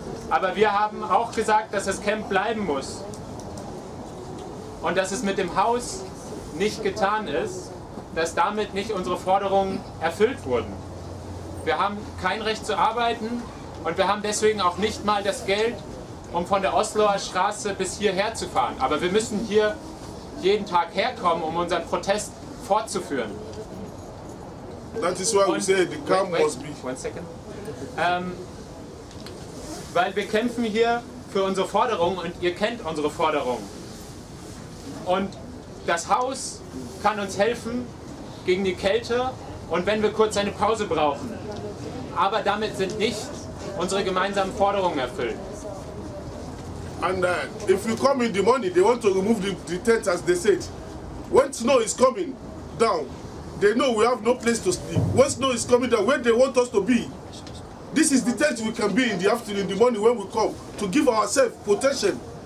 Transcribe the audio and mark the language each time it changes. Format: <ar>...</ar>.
<de>Aber wir haben auch gesagt, dass das Camp bleiben muss. Und dass es mit dem Haus nicht getan ist, dass damit nicht unsere Forderungen erfüllt wurden. Wir haben kein Recht zu arbeiten und wir haben deswegen auch nicht mal das Geld, um von der Osloer Straße bis hierher zu fahren. Aber wir müssen hier jeden Tag herkommen, um unseren Protest fortzuführen.</de> <en>That is why we say the camp must be. One second.</en> <de>Weil wir kämpfen hier für unsere Forderungen und ihr kennt unsere Forderungen. Und das Haus kann uns helfen gegen die Kälte und wenn wir kurz eine Pause brauchen. Aber damit sind nicht unsere gemeinsamen Forderungen erfüllt.</de> <en>And if you come in the morning, they want to remove the tent, as they said. When snow is coming down, they know we have no place to sleep. When snow is coming down, where they want us to be? This is the tent we can be in the afternoon, in the morning when we come, to give ourselves protection.</en>